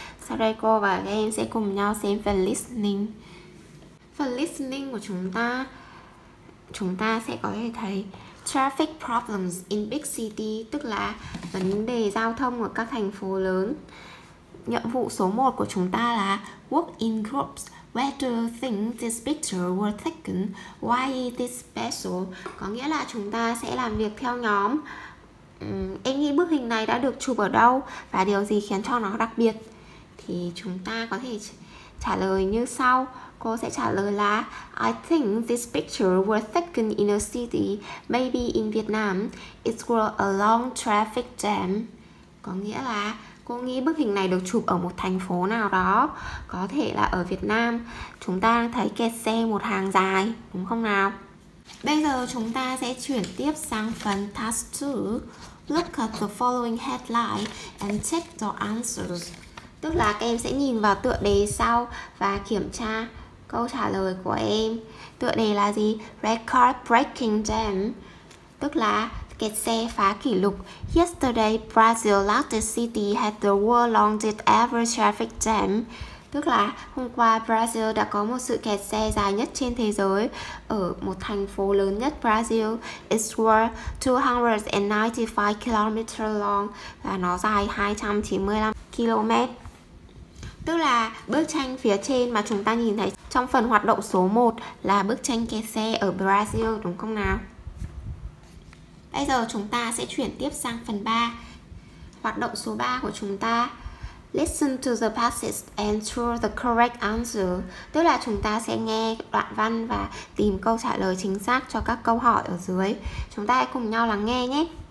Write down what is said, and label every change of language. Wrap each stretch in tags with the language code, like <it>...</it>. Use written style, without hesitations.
<vi>Sau đây cô và các em sẽ cùng nhau xem phần Listening. Phần Listening của chúng ta sẽ có thể thấy</vi> <en>Traffic Problems in Big City,</en> <vi>tức là vấn đề giao thông ở các thành phố lớn. Nhiệm vụ số 1 của chúng ta là</vi> <en>Work in groups. Where do you think this picture was taken? Why is this special?</en> <vi>Có nghĩa là chúng ta sẽ làm việc theo nhóm. Em nghĩ bức hình này đã được chụp ở đâu? Và điều gì khiến cho nó đặc biệt? Thì chúng ta có thể trả lời như sau. Cô sẽ trả lời là</vi> <en>I think this picture was taken in a city, maybe in Vietnam. It was a long traffic jam.</en> <vi>Có nghĩa là cô nghĩ bức hình này được chụp ở một thành phố nào đó, có thể là ở Việt Nam. Chúng ta thấy kẹt xe một hàng dài, đúng không nào? Bây giờ chúng ta sẽ chuyển tiếp sang phần task 2.</vi> <en>Look at the following headline and check the answers.</en> <vi>Tức là các em sẽ nhìn vào tựa đề sau và kiểm tra câu trả lời của em. Tựa đề là gì?</vi> <en>Record breaking jam,</en> <vi>tức là kẹt xe phá kỷ lục.</vi> <en>Yesterday, Brazil's largest city had the world's longest ever traffic jam.</en> <vi>Tức là hôm qua Brazil đã có một sự kẹt xe dài nhất trên thế giới ở một thành phố lớn nhất Brazil.</vi> <en>It was 295 km long,</en> <vi>và nó dài 295 km. Tức là bức tranh phía trên mà chúng ta nhìn thấy trong phần hoạt động số 1 là bức tranh kẹt xe ở Brazil, đúng không nào? Bây giờ chúng ta sẽ chuyển tiếp sang phần 3. Hoạt động số 3 của chúng ta.</vi> <en>Listen to the passage and choose the correct answer.</en> <vi>Tức là chúng ta sẽ nghe đoạn văn và tìm câu trả lời chính xác cho các câu hỏi ở dưới. Chúng ta hãy cùng nhau lắng nghe nhé.</vi>